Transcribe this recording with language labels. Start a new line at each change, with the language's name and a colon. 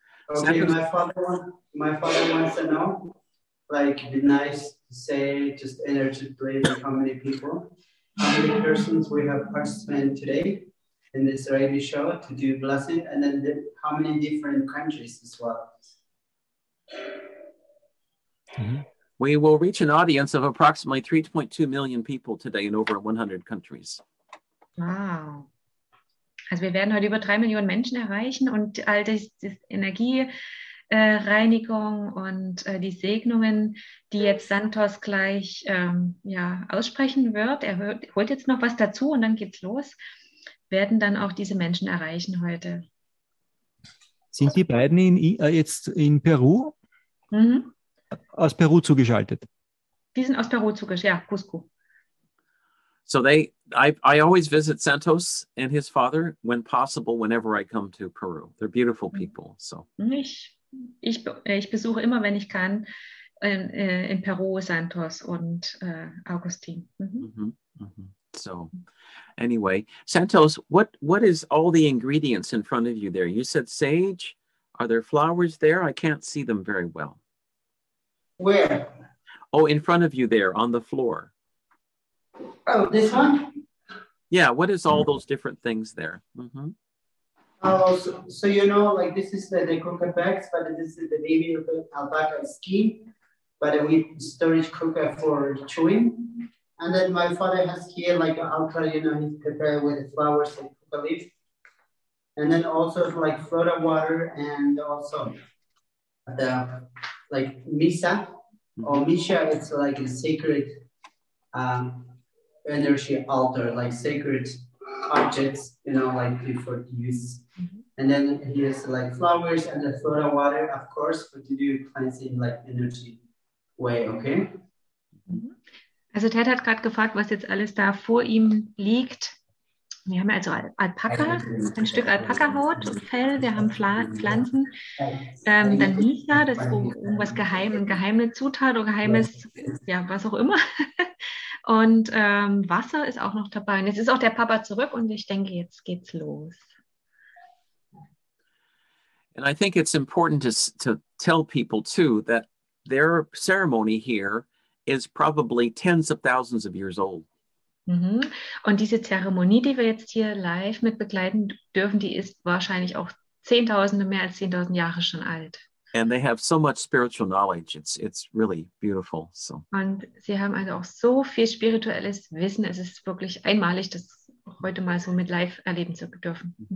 English: My father wants to know, like, be nice to say, just energetically, how many people, how many persons we have participated today in this radio show to do blessing, and then how many different countries as well. Mm-hmm. We will reach an audience of approximately 3.2 million people today in over 100 countries. Wow.
German: Also wir werden heute über 3 Millionen Menschen erreichen und all das Energiereinigung und die Segnungen, die jetzt Santos gleich aussprechen wird. Er holt jetzt noch was dazu und dann geht's los. Werden dann auch diese Menschen erreichen heute. Sind die beiden jetzt in Peru? Mhm. Aus Peru zugeschaltet. Die sind aus Peru zugeschaltet, ja, Cusco.
English: So I always visit Santos and his father when possible, whenever I come to Peru. They're beautiful people. So
German: ich besuche immer, wenn ich kann, in Peru Santos und Augustin. Mm-hmm. Mm-hmm.
English: So anyway, Santos, what is all the ingredients in front of you there? You said sage. Are there flowers there? I can't see them very well. Where? Oh, in front of you there on the floor. Oh, this one? Yeah, what is all those different things there? Mm-hmm. So you know, like this is the croquette bags, but this is the baby of the alpaca skin, but we storage croquette for chewing. And then my father has here like an alpaca, you know, he's prepared with flowers and coca leaves. And then also like Florida water and also the like misa or misha, it's like a sacred energy altar, like sacred objects, you know, like before use. Mm-hmm. And then here's like flowers and the Florida water, of course, but to do cleansing like energy way, okay?
German: Also Ted hat gerade gefragt, was jetzt alles da vor ihm liegt. Wir haben also Alpaka, ein Stück Alpaka-Haut und Fell, wir haben Pflanzen, dann Misa, das ist irgendwas geheime Zutat oder geheimes, ja, was auch immer. Und Wasser ist auch noch dabei. Und jetzt ist auch der Papa zurück und ich denke, jetzt geht's los.
English: And I think it's important to tell people too that their ceremony here is probably tens of thousands of years old.
German: Und diese Zeremonie, die wir jetzt hier live mit begleiten dürfen, die ist wahrscheinlich auch Zehntausende, mehr als 10.000 Jahre schon alt.
English: And they have so much spiritual knowledge. It's really beautiful. So.
German: Und sie haben also auch so viel spirituelles Wissen. Es ist wirklich einmalig, das heute mal so mit live erleben zu dürfen.